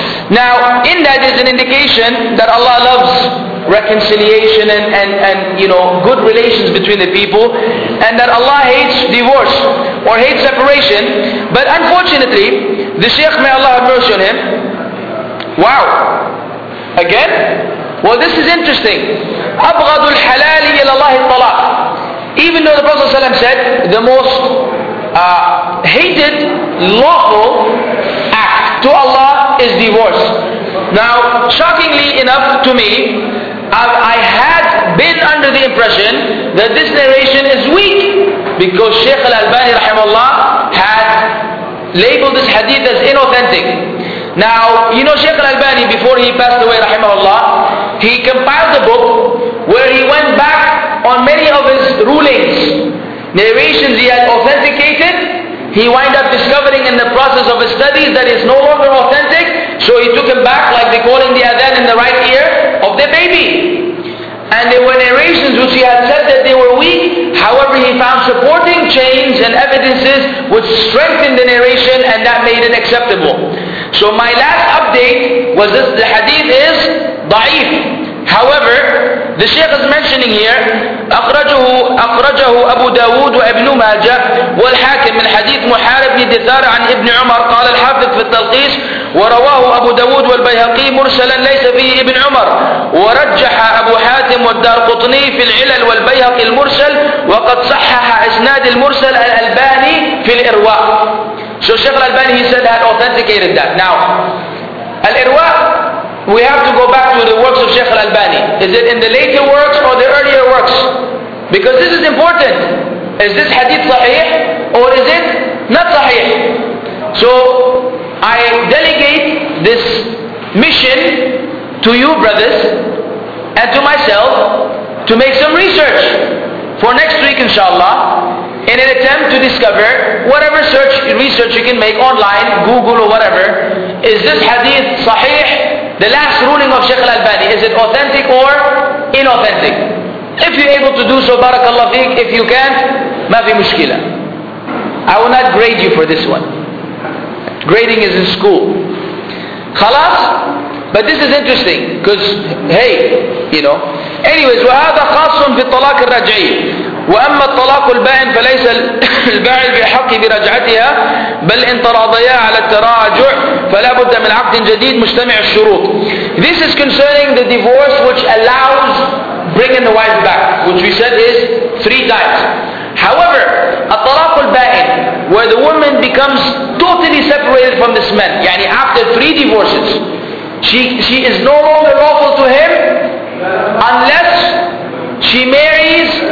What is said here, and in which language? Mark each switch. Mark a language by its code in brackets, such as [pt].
[en] Now, in that is an indication that Allah loves reconciliation and you know, good relations between the people, and that Allah hates divorce or hates separation. But unfortunately, the Shaykh, may Allah have mercy on him. Wow. Again? Well, this is interesting. [ar] أبغض الحلال إلى الله الطلاق. [en] Even though the Prophet ﷺ said the most hated lawful act to Allah is divorce. Now, shockingly enough to me, I had been under the impression that this narration is weak, because Shaykh al-Albani rahimahullah had labeled this hadith as inauthentic. Now, you know, Shaykh al-Albani, before he passed away rahimahullah, he compiled a book where he went back on many of his rulings, narrations he had authenticated. He wind up discovering in the process of his studies that it's no longer authentic, so he took him back, like they call in the adhan in the right ear of the baby. And there were narrations which he had said that they were weak, however he found supporting chains and evidences which strengthened the narration, and that made it acceptable. So my last update was that the hadith is da'if. However, the Shaykh is mentioning here, [ar] أخرجه أبو داود وابن ماجة والحاكم من حديث محارب بن دثار عن ابن عمر قال الحافظ في التلخيص ورواه أبو داود والبيهقي مرسلا ليس فيه ابن عمر ورجح أبو حاتم والدارقطني في العلل والبيهقي المرسل وقد صحح إسناد المرسل الألباني في الإرواء. [en] So Shaykh al-Albani, he said that authenticated that. Now, الإرواء, we have to go back to the works of Shaykh al-Albani. Is it in the later works or the earlier works? Because this is important. Is this hadith sahih or is it not sahih? So I delegate this mission to you brothers and to myself to make some research for next week inshallah, in an attempt to discover whatever research you can make online, Google or whatever. Is this hadith sahih? The last ruling of Shaykh al-Albani, is it authentic or inauthentic? If you're able to do so, barakallah feek. If you can't, [ar] ما في مشكلة. [en] I will not grade you for this one. Grading is in school. خلاص. But this is interesting because hey, you know. Anyways, [ar] وهذا خاص في الطلاق الرجعي. وأما الطلاق البائن فليس البائن بحق برجعتها بل إن تراضيا على التراجع فلا بد من عقد جديد مجتمع الشروط. [en] This is concerning the divorce which allows bringing the wife back, which we said is three times. However, الطلاق البائن where the woman becomes totally separated from this man, يعني after three divorces, she is no longer lawful to him unless she marries.